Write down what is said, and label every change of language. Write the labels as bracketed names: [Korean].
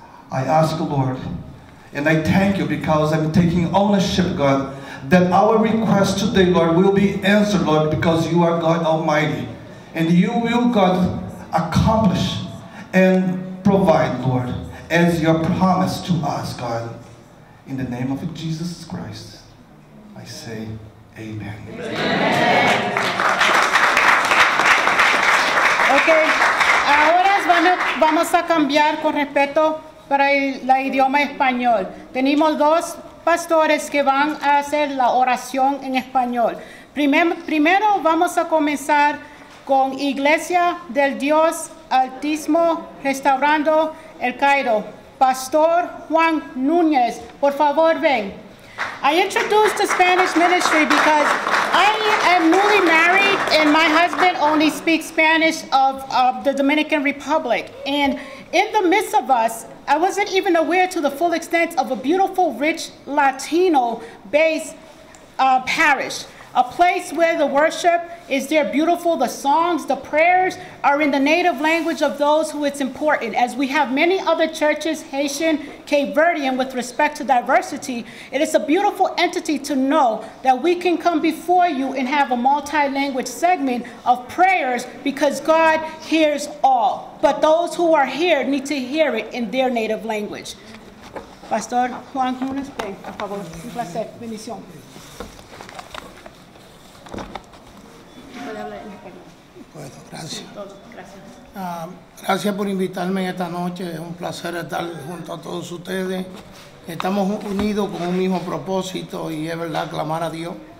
[English] I ask you, Lord, and I thank you because I'm taking ownership, God, that our request today, Lord, will be answered, Lord, because you are God Almighty. And you will, God, accomplish and provide, Lord, as your promise to us, God. In the name of Jesus Christ, I say amen. [Spanish] Okay, ahora vamos a cambiar con respeto para el idioma español. Tenemos dos pastores que van a hacer la oración en español. Primero vamos a comenzar con Iglesia del Dios Altísimo Restaurando el Cairo. Pastor Juan Núñez, por favor, ven. [English] I introduced the Spanish ministry because I am newly married and my husband only speaks Spanish of the Dominican Republic. And in the midst of us, I wasn't even aware to the full extent of a beautiful, rich, Latino-based parish, a place where the worship is there beautiful, the songs, the prayers are in the native language of those who it's important. As we have many other churches, Haitian, Cape Verdean, with respect to diversity, it is a beautiful entity to know that we can come before you and have a multi-language segment of prayers because God hears all. But those who are here need to hear it in their native language. [Spanish] Pastor Juan Junes, por favor, un placer, bendición. Bueno, gracias. Gracias por invitarme esta noche. Es un placer estar junto a todos ustedes. Estamos unidos con un mismo propósito y es verdad, clamar a Dios.